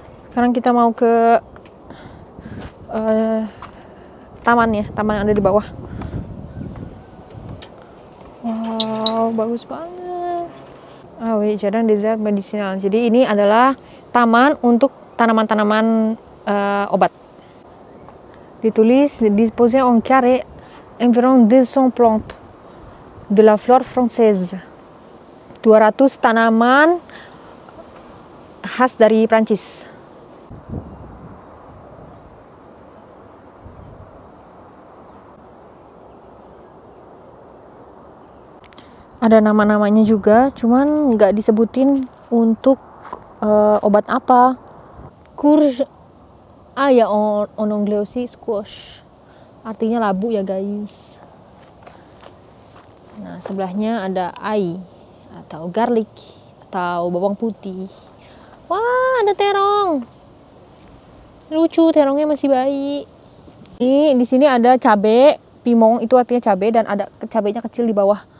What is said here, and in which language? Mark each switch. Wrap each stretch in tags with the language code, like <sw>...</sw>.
<id>Sekarang kita mau ke taman ya, taman yang ada di bawah. Wow, bagus banget. Ah,</id> <en>wait,</en> <id>jadi desert medicinal. Jadi ini adalah taman untuk tanaman-tanaman obat. Ditulis</id> <fr>disposé en carré environ 200 plantes de la flore française.</fr> <id>200 tanaman khas dari Prancis. Ada nama-namanya juga, cuman nggak disebutin untuk obat apa.</id> <fr>Courge, ah ya, en anglais aussi squash.</fr> <id>Artinya labu ya, guys. Nah, sebelahnya ada ai atau garlic atau bawang putih. Wah, ada terong. Lucu, terongnya masih bayi. Ini di sini ada cabe pimong, itu artinya cabe, dan ada cabenya kecil di bawah.</id>